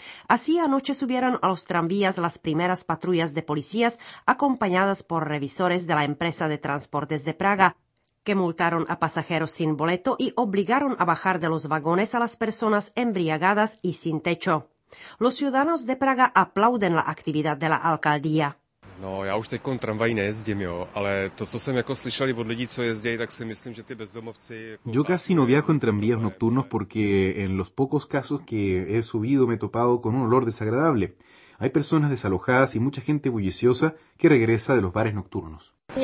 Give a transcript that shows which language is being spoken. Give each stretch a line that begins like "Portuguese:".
Spanish: Así, anoche subieron a los tranvías las primeras patrullas de policías acompañadas por revisores de la empresa de transportes de Praga, que multaron a pasajeros sin boleto y obligaron a bajar de los vagones a las personas embriagadas y sin techo. Los ciudadanos de Praga aplauden la actividad de la alcaldía.
Czech: No, ja už teďkon tramvají nejezdím, jo, ale to, co jsem jako slyšel od lidí, co jezdí, tak si myslím, že ty bezdomovci...
Spanish: Yo casi no viajo en tranvías nocturnos porque en los pocos casos que he subido me he topado con un olor desagradable. Hay personas desalojadas y mucha gente bulliciosa que regresa de los bares nocturnos.